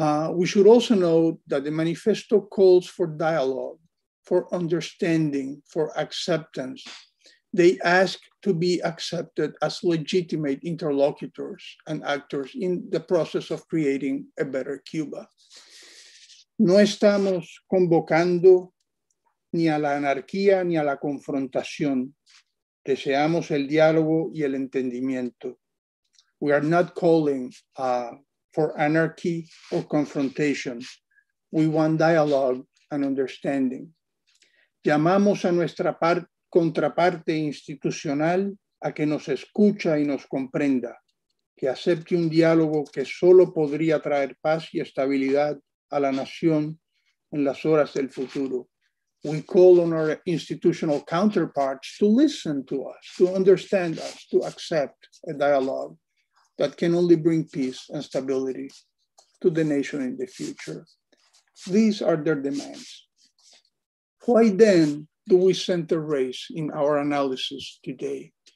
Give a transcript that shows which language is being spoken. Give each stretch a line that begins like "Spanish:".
English: We should also note that the manifesto calls for dialogue, for understanding, for acceptance. They ask to be accepted as legitimate interlocutors and actors in the process of creating a better Cuba.
Spanish: No estamos convocando ni a la anarquía ni a la confrontación. Deseamos el diálogo y el entendimiento.
English: We are not calling for anarchy or confrontation. We want dialogue and understanding.
Spanish: Llamamos a nuestra contraparte institucional a que nos escucha y nos comprenda, que acepte un diálogo que solo podría traer paz y estabilidad a la nación en las horas del futuro.
English: We call on our institutional counterparts to listen to us, to understand us, to accept a dialogue that can only bring peace and stability to the nation in the future. These are their demands. Why then do we center race in our analysis today?